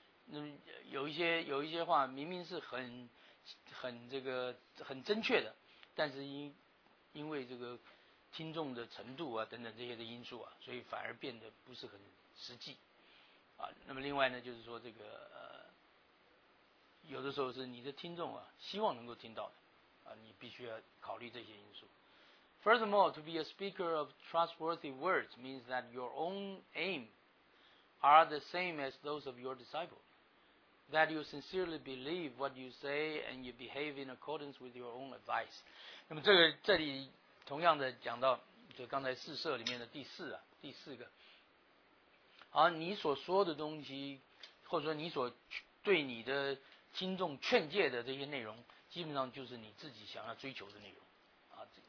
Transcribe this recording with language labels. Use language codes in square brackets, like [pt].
[zh] 那有一些话明明是很正确的，但是因为这个听众的程度啊等等这些的因素啊，所以反而变得不是很实际啊。那么另外呢，就是说这个有的时候是你的听众啊希望能够听到的啊，你必须要考虑这些因素。 [en] Furthermore, to be a speaker of trustworthy words means that your own aim are the same as those of your disciple, that you sincerely believe what you say and you behave in accordance with your own advice. [zh] 那么这个这里同样的讲到，就刚才四摄里面的第四啊，第四个，好，你所说的东西，或者说你所对你的听众劝诫的这些内容，基本上就是你自己想要追求的内容啊。